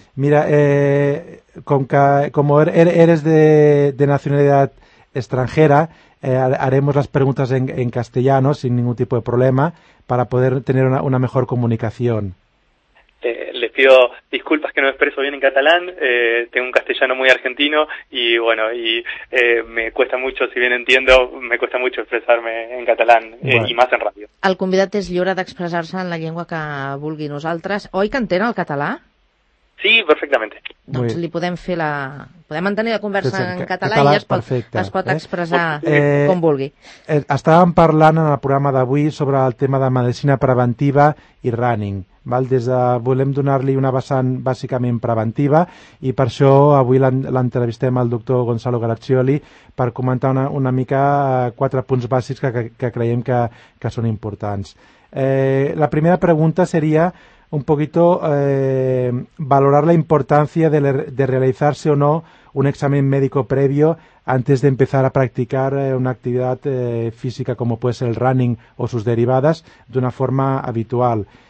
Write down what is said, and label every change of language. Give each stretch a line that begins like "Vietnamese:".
Spanish: Mira, como eres de nacionalidad extranjera, haremos las preguntas en castellano sin ningún tipo de problema para poder tener una mejor comunicación. Les pido disculpas que no me expreso bien en catalán, tengo un castellano muy argentino y bueno, y me cuesta mucho, si bien entiendo, me cuesta mucho expresarme en catalán, bueno. Y más en radio.
Catalan: El convidat és lliure d'expressar-se en la llengua que vulgui. Nosaltres, oi que entén el català?
Spanish: Sí, perfectamente.
Catalan: Doncs li podem fer la... Podem mantenir la conversa en català, català i es pot expressar com vulgui. Estàvem parlant en el programa d'avui sobre el tema de medicina preventiva i running. Val? Des de, volem donar-li una vessant bàsicament preventiva i per això avui l'entrevistem al doctor Gonzalo Garaccioli per comentar una mica quatre punts bàsics que creiem que són importants.
Spanish: La primera pregunta seria un poquito valorar la importancia de realizarse o no un examen médico previo antes de empezar a practicar una actividad física como puede ser el running o sus derivadas de una forma habitual.